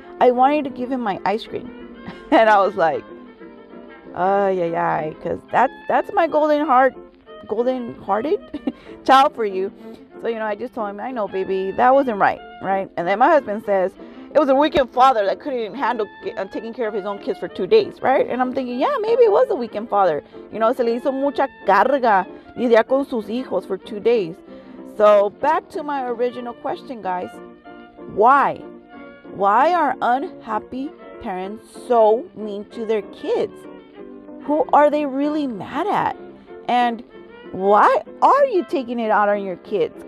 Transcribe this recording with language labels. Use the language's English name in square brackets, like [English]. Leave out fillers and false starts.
[English] I wanted to give him my ice cream. And I was like, because that's my golden hearted child for you. So, you know, I just told him, I know, baby, that wasn't right, right? And then my husband says, it was a weekend father that couldn't even handle taking care of his own kids for 2 days, right? And I'm thinking, yeah, maybe it was a weekend father. You know, [Spanish] se le hizo mucha carga lidiar con sus hijos [English] for 2 days. So back to my original question, guys. Why? Why are unhappy parents so mean to their kids? Who are they really mad at? And why are you taking it out on your kids?